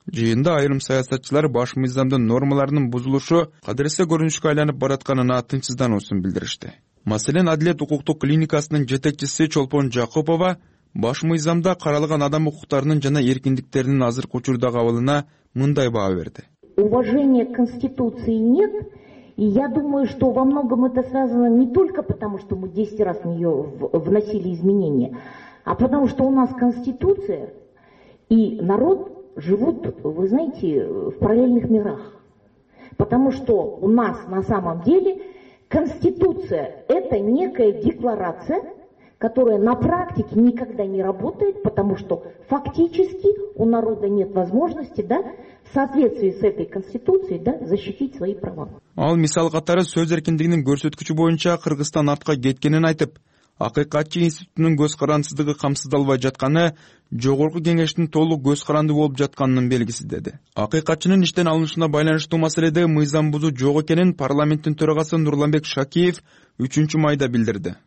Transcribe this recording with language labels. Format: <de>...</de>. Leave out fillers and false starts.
<ky>Жыйында айрым саясатчылар баш мыйзамдын нормаларынын бузулушу кадырсыз көрүнүшкө айланып баратканына тынчсыздануусун билдиришти. Маселен, Адилет укуктук клиникасынын жетекчиси Чолпон Жакупова баш мыйзамда каралган адам укуктарынын жана эркиндиктеринин азыркы учурда кабылына мындай баа берди.</ky> <ru>Уважения к Конституции нет, и я думаю, что во многом это связано не только потому, что мы 10 раз в нее вносили изменения, а потому что у нас Конституция и народ живут, вы знаете, в параллельных мирах. Потому что у нас на самом деле Конституция – это некая декларация, которая на практике никогда не работает, потому что фактически у народа нет возможности, да, в соответствии с этой Конституцией, да, защитить свои права.</ru> <ky>Ал мисал катары сөз эркиндигинин көрсөткүчү боюнча Кыргызстан артка кеткенин айтып, акыйкатчы институтунун көз карандысыздыгы камсыздалбай жатканы жогорку кеңештин толук көз каранды болуп жатканынын белгиси деди. Акыйкатчынын иштен алынышына байланыштуу маселеде мыйзам бузуу жок экенин парламенттин төрагасы Нурланбек Шакиев 3 майда билдирди.</ky>